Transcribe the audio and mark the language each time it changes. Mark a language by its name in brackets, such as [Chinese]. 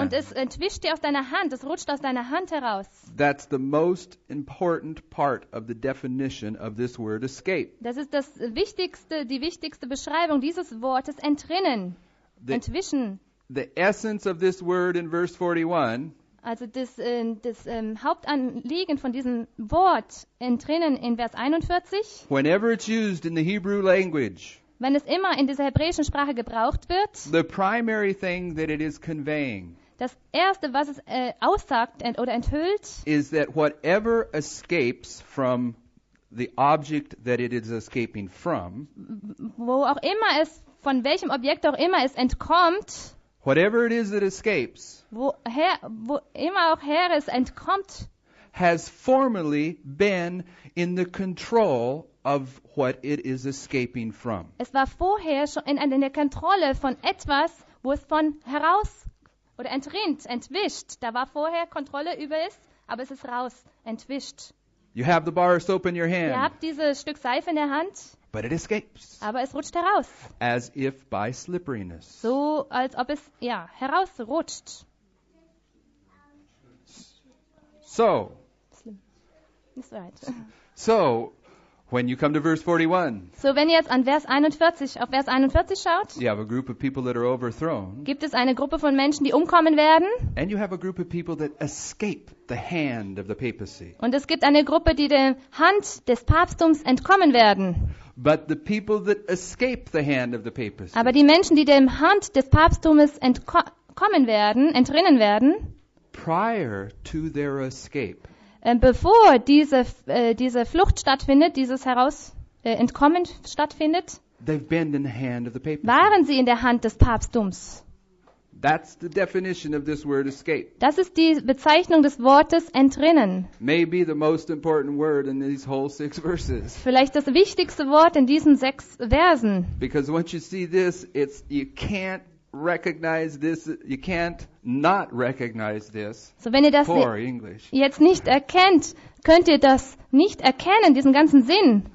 [German] Und es entwischt dir aus deiner Hand, es rutscht aus deiner Hand heraus. [English] That's the most important part of the definition of this word escape. [German] Das ist das wichtigste, die wichtigste Beschreibung dieses Wortes entrinnen, entwischen. [English] The essence of this word in verse 41. [German] Also das Hauptanliegen von diesem Wort entrinnen in Vers 41. [English] Whenever it's used in the Hebrew language. [German] Wenn es immer in dieser hebräischen Sprache gebraucht wird. [English] The primary thing that it is conveying. [German] Das erste, was es aussagt oder enthüllt. [English] Is that whatever escapes from the object that it is escaping from. [German] Wo auch immer es, von welchem Objekt auch immer es entkommt. [English] Whatever it is that escapes, [German] wo immer auch her es entkommt, [English] has formerly been in the control of what it is escaping from. [German] Es war vorher schon in der Kontrolle von etwas, wo es von heraus oder entrinnt, entwischt. Da war vorher Kontrolle über es, aber es ist raus, entwischt. [English] You have the bar of soap in your hand. [German] Ihr habt dieses Stück Seife in der Hand. [English] But it escapes. [German] Aber es rutscht heraus. [English] As if by slipperiness. [German] So als ob es ja herausrutscht. [English] So. Ist right. So, when you come to verse 41. [German] So wenn ihr jetzt an Vers 41 auf Vers 41 schaut. [English] You have a group of people that are overthrown. [German] Gibt es eine Gruppe von Menschen, die umkommen werden? [English] And you have a group of people that escape the hand of the papacy. [German] Und es gibt eine Gruppe, die der Hand des Papsttums entkommen werden. [English] But the people that escape the hand of the papacy. [German] Aber die Menschen, die dem Hand des Papsttums entkommen werden, entrinnen werden. [English] Prior to their escape. [German] Bevor diese Flucht stattfindet, dieses Entkommen stattfindet. [English] They've been in the hand of the papacy. [German] Waren sie in der Hand des Papsttums? [English] That's the definition of this word escape. [German] Das ist die Bezeichnung des Wortes entrinnen. [English] Maybe the most important word in these whole six verses. [German] Vielleicht das wichtigste Wort in diesen sechs Versen. [English] Because once you see this, it's you can't recognize this, you can't not recognize this. [German] So wenn ihr das [English] English. [German] Jetzt nicht erkennt, könnt ihr das nicht erkennen, diesen ganzen Sinn.